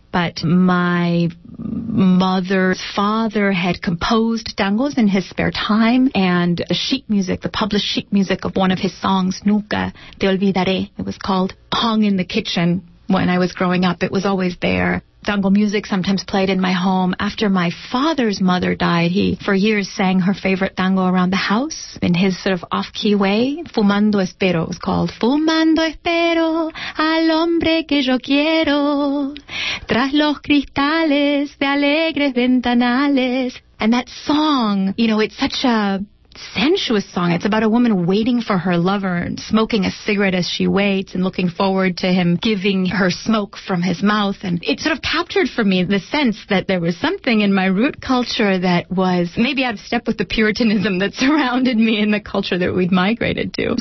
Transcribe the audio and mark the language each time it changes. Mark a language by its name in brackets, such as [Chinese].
[English] But my mother's father had composed tangos in his spare time, and the sheet music, the published sheet music of one of his songs, Nunca Te Olvidaré, it was called, hung in the kitchen when I was growing up. It was always there. Tango music sometimes played in my home. After my father's mother died, he for years sang her favorite tango around the house in his sort of off-key way. Fumando espero, it was called. [Spanish] Fumando espero al hombre que yo quiero tras los cristales de alegres ventanales. [English] And that song, you know, it's such a sensuous song. It's about a woman waiting for her lover and smoking a cigarette as she waits and looking forward to him giving her smoke from his mouth. And it sort of captured for me the sense that there was something in my root culture that was maybe out of step with the Puritanism that surrounded me in the culture that we'd migrated to.